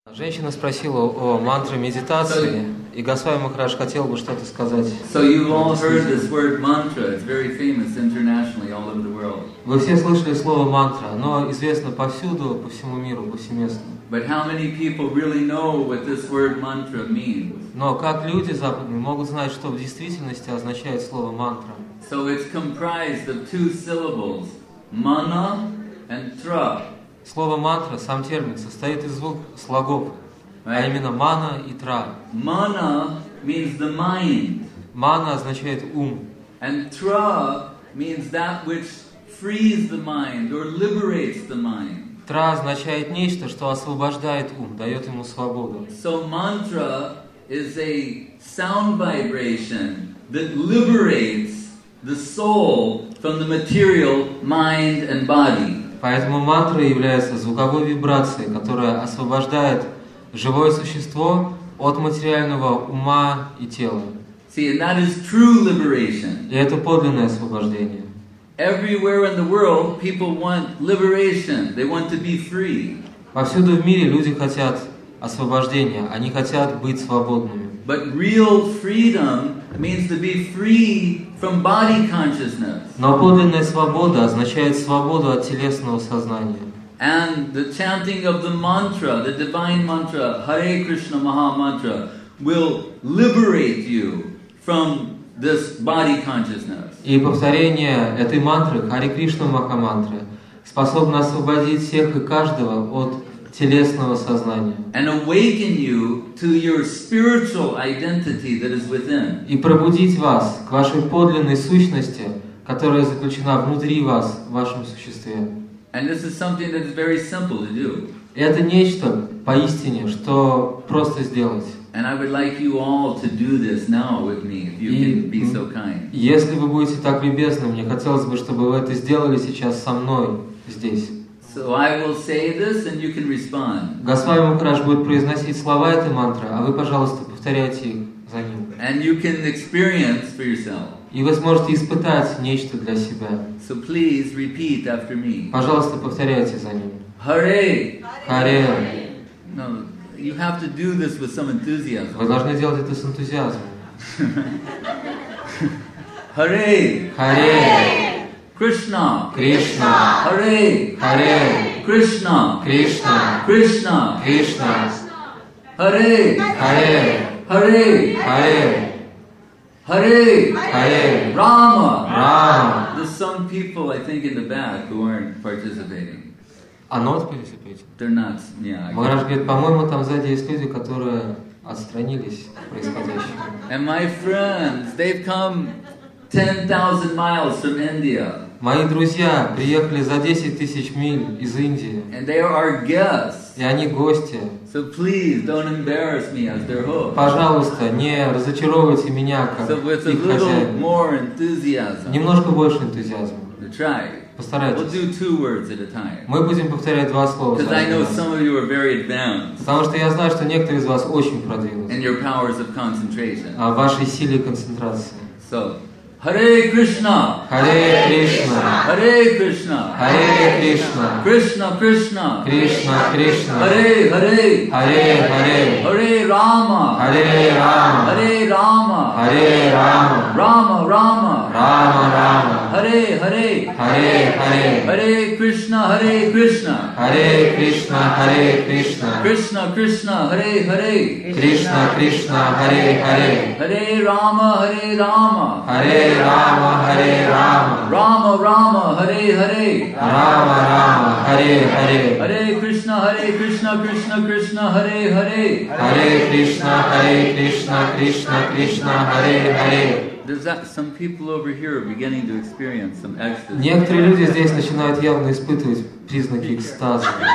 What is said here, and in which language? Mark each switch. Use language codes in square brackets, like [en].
[ru] Женщина спросила о мантре медитации, и Госвами Махарадж хотел бы что-то сказать. [en] So you've all heard this word mantra. It's very famous internationally all over the world. [ru] Вы все слышали слово мантра, оно известно повсюду, по всему миру, повсеместно. [en] But how many people really know what this word mantra means? [ru] Но как люди западные могут знать, что в действительности означает слово мантра? [en] So it's comprised of two syllables, mana and tra. [ru] Слово мантра, сам термин, состоит из двух слогов, [en] right. [ru] А именно мана и тра. [en] Mana means the mind. [ru] Мана означает ум. [en] And tra means that which frees the mind or liberates the mind. [ru] Тра означает нечто, что освобождает ум, дает ему свободу. [en] So mantra is a sound vibration that liberates the soul from the material mind and body. [ru] Поэтому мантра является звуковой вибрацией, которая освобождает живое существо от материального ума и тела. [en] See, and that is true liberation. [ru] И это подлинное освобождение. [en] Everywhere in the world, people want liberation. They want to be free. [ru] Повсюду в мире люди хотят освобождения. Они хотят быть свободными. [en] But real freedom means to be free from body consciousness. [ru] Но подлинная свобода означает свободу от телесного сознания. [en] And the chanting of the mantra, the divine mantra, Hare Krishna Maha Mantra, will liberate you from this body consciousness. [ru] И повторение этой мантры, Hare Krishna Maha Mantra, способно освободить всех и каждого от телесного сознания. [en] And awaken you to your spiritual identity that is within. [ru] И пробудить вас к вашей подлинной сущности, которая заключена внутри вас, в вашем существе. [en] And this is something that is very simple to do. [ru] И это нечто поистине, что просто сделать. [en] And I would like you all to do this now with me, if you can be so kind. [ru] Если вы будете так любезны, мне хотелось бы, чтобы вы это сделали сейчас со мной здесь. [en] So I will say this, and you can respond. [ru] Госвами Махарадж будет произносить слова этой мантры, а вы, пожалуйста, повторяйте их за ним. [en] And you can experience for yourself. [ru] И вы сможете испытать нечто для себя. [en] So please repeat after me. [ru] Пожалуйста, повторяйте за ним. [sa] Hare. Hare. No, you have to do this with some enthusiasm. Вы должны делать это с энтузиазмом. Hare. Hare. Krishna, Krishna, Hare, Hare, Krishna, Krishna, Krishna, Krishna, Hare, Hare, Hare, Hare, Hare, Hare, Rama, Rama. [en] There's some people I think in the back who aren't participating. Are not participating? They're not. Yeah. [ru] Махарадж говорит, по-моему, там сзади есть люди, которые отстранились от происходящего. [en] And my friends, they've come 10,000 miles from India. [ru] Мои друзья приехали за 10,000 миль из Индии. [en] And they are our guests. [ru] И они гости. [en] So please don't embarrass me as their host. [ru] Пожалуйста, не разочаровывайте меня как их хозяин. [en] So with a little more enthusiasm. [ru] Немножко больше энтузиазма. [en] Try. [ru] Постарайтесь. [en] We'll do two words at a time. [ru] Мы будем повторять два слова. [en] Because I know some of you are very advanced. [ru] Потому что я знаю, что некоторые из вас очень продвинутые. [en] And your powers of concentration. [ru] А вашей силе концентрации. [sa] So. Hare Krishna. Hare Krishna. Hare Krishna. Hare Krishna. Krishna Krishna. Krishna Krishna. Hare Hare. Hare Hare. Hare Rama. Hare Rama. Hare Rama. Hare Rama. Rama Rama. Rama Rama. Hare Hare. Hare Hare. Hare Krishna Hare Krishna. Hare Krishna Hare Krishna. Krishna Krishna Hare Hare. Krishna Krishna Hare Hare. Hare Rama Hare Rama. Hare Rama, Hare Rama. Rama, Rama, Hare Hare. Rama, Rama, Hare Hare. Hare Krishna, Hare Krishna, Krishna Krishna, Hare Hare. Hare Krishna, Hare Krishna, Krishna Krishna, Hare Hare. [en] There's that some people over here are beginning to experience some ecstasy. [ru] Некоторые люди здесь начинают явно испытывать признаки экстаза.